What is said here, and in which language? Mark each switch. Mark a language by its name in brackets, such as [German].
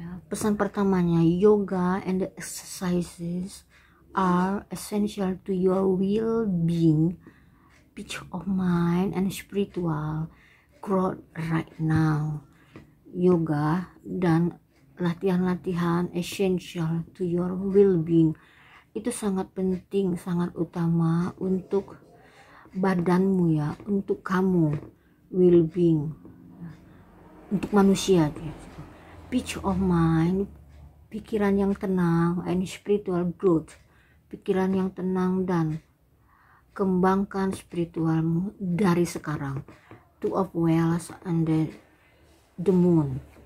[Indonesian] Pesan pertamanya, [English] yoga and the exercises are essential to your well-being, peace of mind, and spiritual growth right now. [Indonesian] Yoga dan latihan-latihan [English] essential to your well-being, [Indonesian] itu sangat penting, sangat utama untuk badanmu ya, untuk kamu well-being, untuk manusia dia. [English] Peace of mind, [Indonesian] pikiran yang tenang, [English] and spiritual growth, [Indonesian] pikiran yang tenang, dan kembangkan spiritualmu dari sekarang. [English] Two of Wands and the Moon.